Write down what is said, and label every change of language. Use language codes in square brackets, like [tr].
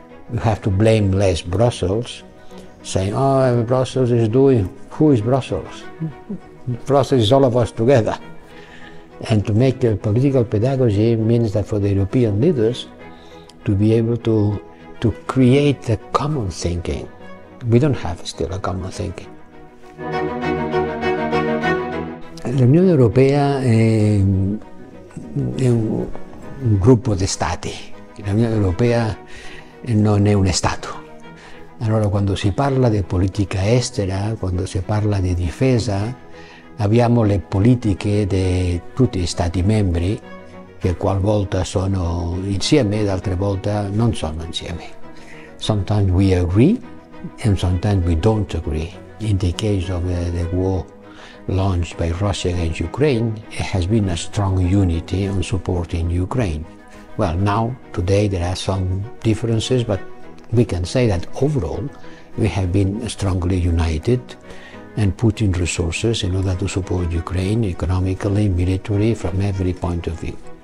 [en] We have to blame less Brussels, saying, oh, Brussels is doing, who is Brussels? Brussels is all of us together. And to make a political pedagogy means that for the European leaders to be able to create a common thinking. We don't have still a common thinking. [it] L'Unione Europea è un gruppo di stati. L'Unione Europea non è un Stato. Allora, quando si parla di politica estera, quando si parla di difesa, abbiamo le politiche di tutti gli Stati membri che qualvolta sono insieme ed altre volte non sono insieme. [en] Sometimes we agree and sometimes we don't agree. In the case of the war launched by Russia against Ukraine, it has been a strong unity on supporting Ukraine. Well, now, today, there are some differences, but we can say that overall, we have been strongly united and put in resources in order to support Ukraine economically, militarily, from every point of view.